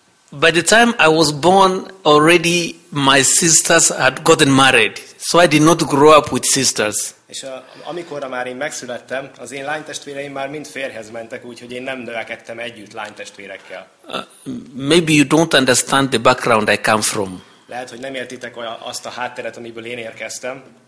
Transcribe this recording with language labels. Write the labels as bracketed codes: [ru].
[en] By the time I was born, already my sisters had gotten married, so I did not grow up with sisters. [hu] És amikor már én megszülettem, az én lánytestvéreim már mind férjhez mentek, úgyhogy én nem növekedtem együtt lánytestvérekkel. [en] Maybe you don't understand the background I come from. [hu] Lehet, hogy nem értitek azt a hátteret, amiből én érkeztem.